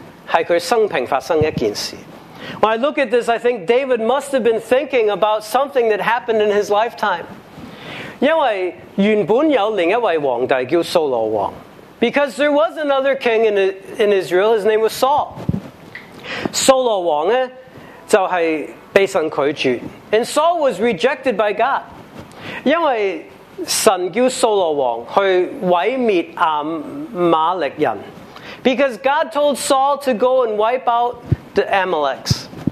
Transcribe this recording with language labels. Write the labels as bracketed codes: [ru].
[yue] 我睇到呢个嘅时候，我觉得大卫会好清楚记得系佢生平发生一件事。 [en] When I look at this, I think David must have been thinking about something that happened in his lifetime. [yue] 因为原本有另一位皇帝叫扫罗王。 [en] Because there was another king in Israel, his name was Saul. [yue] 扫罗王呢，就系被神拒绝。 [en] And Saul was rejected by God. [yue] 因为神叫扫罗王去毁灭亚玛力人。 [en] Because God told Saul to go and wipe out the Amalekites.